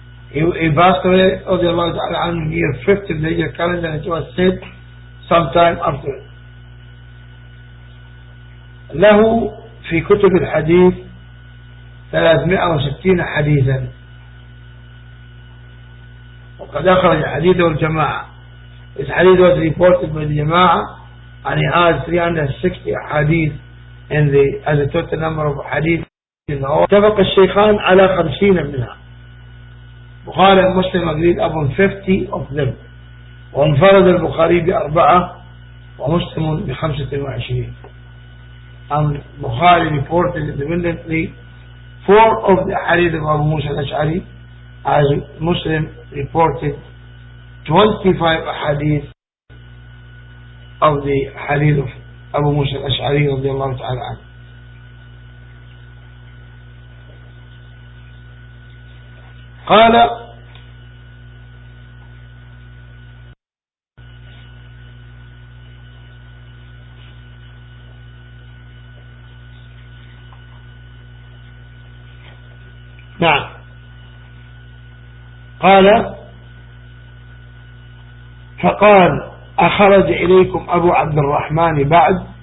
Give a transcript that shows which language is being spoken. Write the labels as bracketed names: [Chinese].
[English] He passed away رضي الله تعالى عنه in year 50 of the year calendar, and it was said sometime after. [Arabic] له في كتب الحديث 360 حديثا، وقد أخرج حديثه الجماعة. [English] His hadith was reported by the جماعة and he has 360 حديث in the as a total number of hadith in the whole. [Arabic] اتفق الشيخان على 50 منها. [English] بخاري ومسلم agreed upon 50 of them. [Arabic] وانفرد البخاري بأربعة ومسلم بخمسة وعشرين. [English] And Bukhari reported independently four of the hadith of Abu Musa al-Ash'ari, as Muslim reported 25 hadith of the hadith of أبو موسى الأشعري رضي الله تعالى عنه. [Arabic] قال نعم قال فقال أخرج إليكم أبو عبد الرحمن بعد.